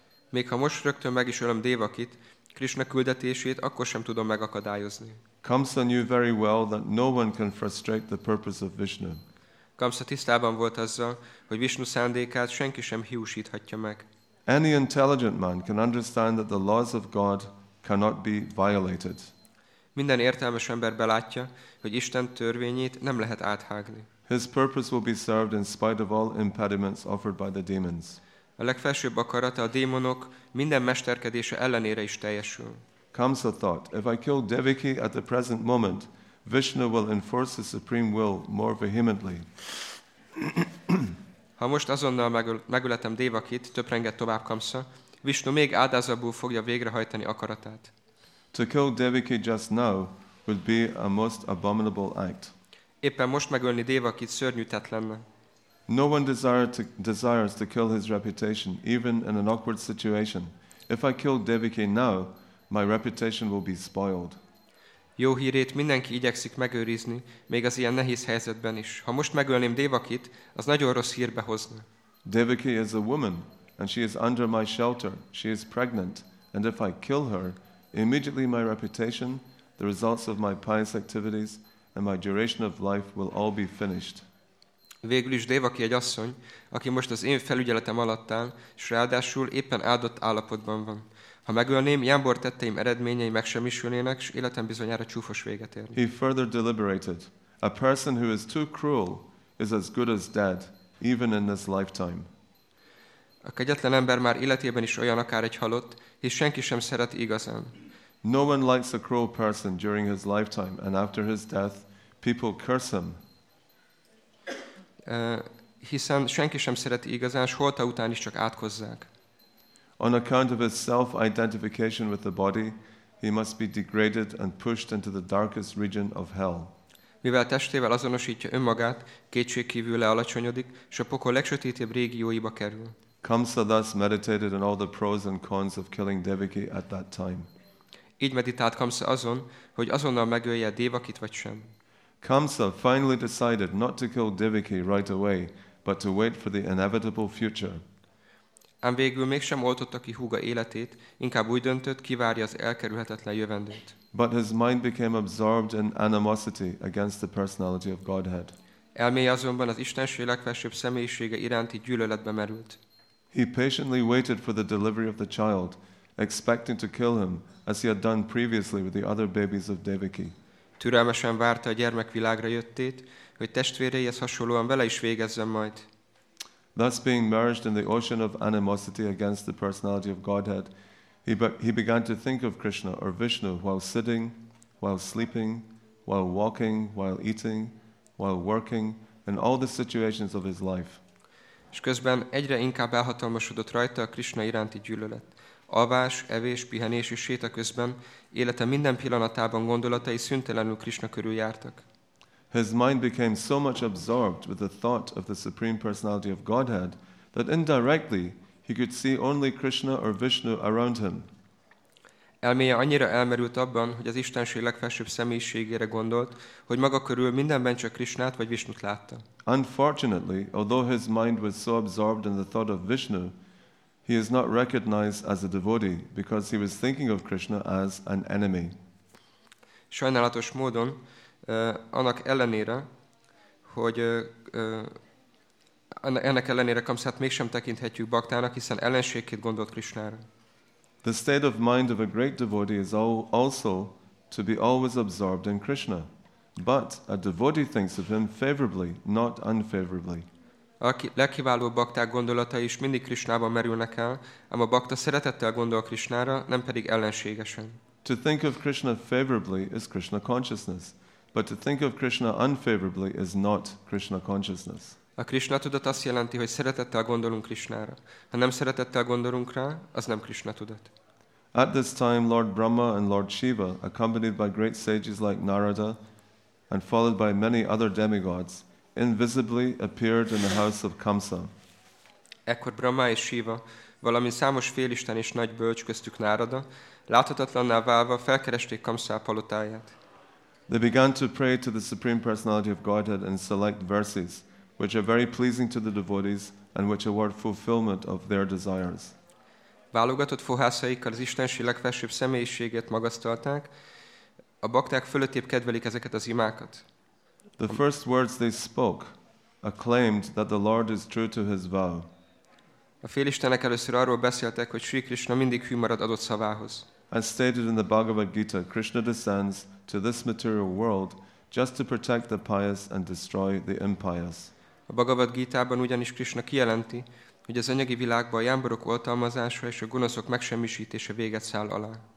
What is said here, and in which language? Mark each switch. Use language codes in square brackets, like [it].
[hu] Még ha most rögtön meg is ölöm Devakit, Krishna küldetését akkor sem tudom megakadályozni. [en] Kamsa knew very well that no one can frustrate the purpose of Vishnu. [hu] Kamsa tisztában volt azzal, hogy Vishnu szándékát senki sem hiúsíthatja meg. [en] Any intelligent man can understand that the laws of God cannot be violated. [hu] Minden értelmes ember belátja, hogy Isten törvényét nem lehet áthágni. [en] His purpose will be served in spite of all impediments offered by the demons. [hu] A legfelsőbb akarata a démonok minden mesterkedése ellenére is teljesül. [en] Comes the thought, if I kill Devaki at the present moment, Vishnu will enforce his supreme will more vehemently. [hu] Ha most azonnal megöletem Devakit, töprenget tovább Kamsa, Vishnu még áldázabbul fogja végrehajtani akaratát. [en] To kill Devaki just now would be a most abominable act. [hu] Éppen most megölni Devakit szörnyű tett lenne. [en] No one desires to kill his reputation, even in an awkward situation. If I kill Devaki now, my reputation will be spoiled. [hu] Jó hírét mindenki igyekszik megőrizni, még az ilyen nehéz helyzetben is. Ha most megölném Devakit, az nagyon rossz hírbe hozna. [en] Devaki is a woman, and she is under my shelter. She is pregnant, and if I kill her, immediately my reputation, the results of my pious activities, and my duration of life will all be finished. [hu] Végül is Devaki egy asszony, aki most az én felügyeletem alatt áll, és ráadásul éppen áldott állapotban van. Ha megölném, Jámbor tetteim eredményei megsemmisülnének, és életem bizonyára csúfos véget érni. [en] He further deliberated. A person who is too cruel is as good as dead, even in this lifetime. [hu] A kegyetlen ember már életében is olyan akár egy halott, és senki sem szeret igazán. [en] No one likes a cruel person during his lifetime, and after his death, people curse him. [hu] Hiszen senki sem szereti igazán, s holta után is csak átkozzák. [en] On account of his self-identification with the body, he must be degraded and pushed into the darkest region of hell. [hu] Mivel testével azonosítja önmagát, kétségkívül lealacsonyodik, s a pokol legsötétebb régióiba kerül. [en] Kamsa thus meditated on all the pros and cons of killing Devaki at that time. [hu] Így meditált Kamsa azon, hogy azonnal megölje Devakit vagy sem. [en] Kamsa finally decided not to kill Devaki right away, but to wait for the inevitable future. [hu] Ám végül mégsem oltotta ki húga életét, inkább úgy döntött, kivárja az elkerülhetetlen jövendőt. [en] But his mind became absorbed in animosity against the personality of Godhead. [hu] Elméje azonban az Istenség legfelsőbb személyisége iránti gyűlöletbe merült. [en] He patiently waited for the delivery of the child, expecting to kill him, as he had done previously with the other babies of Devaki. [hu] Türelmesen várta a gyermek világra jöttét, hogy testvéreihez hasonlóan vele is végezzen majd. [en] Thus being merged in the ocean of animosity against the personality of Godhead, he began to think of Krishna or Vishnu while sitting, while sleeping, while walking, while eating, while working, in all the situations of his life. [hu] És közben egyre inkább elhatalmasodott rajta a Krishna iránti gyűlölet. Alvás, evés, pihenés és séta közben élete minden pillanatában gondolatai szüntelenül Krishna körül jártak. [en] His mind became so much absorbed with the thought of the Supreme Personality of Godhead that indirectly he could see only Krishna or Vishnu around him. [hu] Elméje annyira elmerült abban, hogy az Istenség legfelsőbb személyiségére gondolt, hogy maga körül mindenben csak Krishnát vagy Vishnut látta. [en] Unfortunately, although his mind was so absorbed in the thought of Vishnu, he is not recognized as a devotee because he was thinking of Krishna as an enemy. [hu] Sajnálatos módon, annak ellenére, hogy ennek ellenére Kamsát mégsem tekinthetjük baktának, hiszen ellenségként gondolt Krishnára. [en] The state of mind of a great devotee is also to be always absorbed in Krishna, but a devotee thinks of him favorably, not unfavorably. [hu] A legkiválóbb bakták gondolatai is mindig Krishnában merülnek el, ám a bakta szeretettel gondol Krishnára, nem pedig ellenségesen. [en] To think of Krishna favorably is Krishna consciousness. But to think of Krishna unfavorably is not Krishna consciousness. [hu] A Krishna tudat azt jelenti, hogy szeretettel gondolunk Krishnára. Ha nem szeretettel gondolunk rá, az nem Krishna tudat. [en] At this time, Lord Brahma and Lord Shiva, accompanied by great sages like Narada, and followed by many other demigods, invisibly appeared in the house of Kamsa. [hu] Ekkor Brahma és Shiva, valamint számos félisten és nagy bölcs köztük Narada, láthatatlanná válva felkeresték Kamsa palotáját. [en] They began to pray to the Supreme Personality of Godhead and select verses, which are very pleasing to the devotees and which award fulfillment of their desires. [hu] Válogatott fohászaikkal az Istenség legfelsőbb személyiségét magasztalták, a bakták fölöttébb kedvelik ezeket az imákat. [en] The first words they spoke acclaimed that the Lord is true to his vow. [hu] A félistenek először arról beszéltek, hogy Sri Krishna mindig hű marad adott szavához. [en] As stated in the Bhagavad Gita, Krishna descends to this material world just to protect the pious and destroy the impious. [hu] A Bhagavad Gita-ban ugyanis Krishna kijelenti, hogy az anyagi világban a jámborok oltalmazása és a gonoszok megsemmisítése véget száll alá.